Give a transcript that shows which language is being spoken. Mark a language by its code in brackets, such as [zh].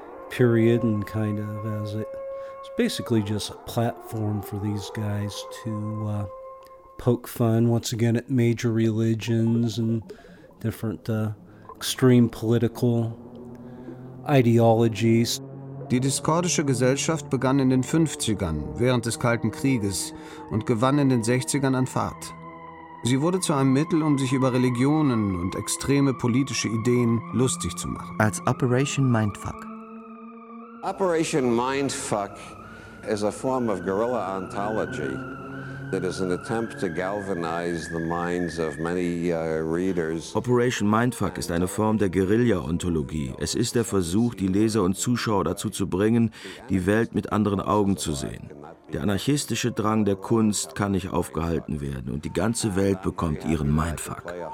[en] period and kind of as it, it's basically just a platform for these guys to poke fun once again at major religions and different extreme political ideologies. [de] Die diskordische Gesellschaft begann in den 50ern, während des Kalten Krieges, und gewann in den 60ern an Fahrt. Sie wurde zu einem Mittel, um sich über Religionen und extreme politische Ideen lustig zu machen. Als Operation Mindfuck. [en] Operation Mindfuck is a form of guerrilla ontology that is an attempt to galvanize the minds of many readers. [de] Operation Mindfuck ist eine Form der Guerilla-Ontologie. Es ist der Versuch, die Leser und Zuschauer dazu zu bringen, die Welt mit anderen Augen zu sehen. Der anarchistische Drang der Kunst kann nicht aufgehalten werden und die ganze Welt bekommt ihren Mindfuck.